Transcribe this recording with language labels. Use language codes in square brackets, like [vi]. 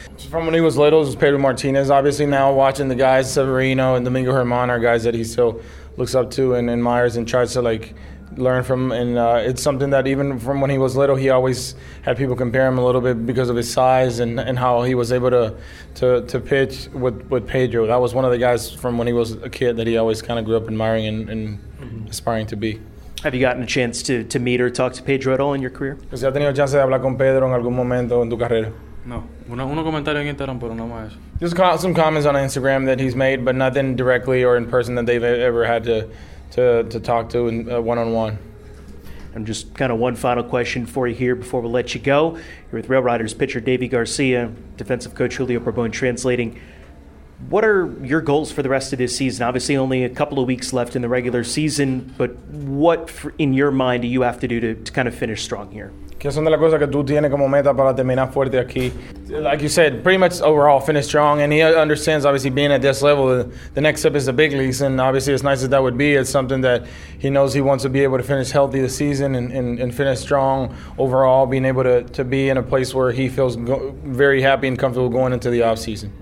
[en] From when he was little, it was Pedro Martinez. Obviously now watching the guys, Severino and Domingo Germán are guys that he still looks up to and admires and tries to, like, learn from, and it's something that even from when he was little, he always had people compare him a little bit because of his size and how he was able to pitch with Pedro. That was one of the guys from when he was a kid that he always kind of grew up admiring and aspiring to be. Have you gotten a chance to meet or talk to Pedro at all in your career? [es] ¿Has tenido chance de hablar con Pedro en algún momento en tu carrera? No, uno comentario en Instagram, pero no más. [en] Just some comments on Instagram that he's made, but nothing directly or in person that they've ever had to talk to in one-on-one. And just kind of one final question for you here before we let you go. You're with Rail Riders pitcher Deivi Garcia, defensive coach Julio Perbon translating. What are your goals for the rest of this season? Obviously only a couple of weeks left in the regular season, but what in your mind do you have to do to kind of finish strong here? [es] ¿Qué son de las cosas que tú tienes como meta para terminar fuerte aquí? [en] Like you said, pretty much overall, finish strong. And he understands, obviously, being at this level, the next step is the big leagues. And obviously, as nice as that would be, it's something that he knows he wants to be able to finish healthy this season and finish strong overall, being able to be in a place where he feels very happy and comfortable going into the offseason.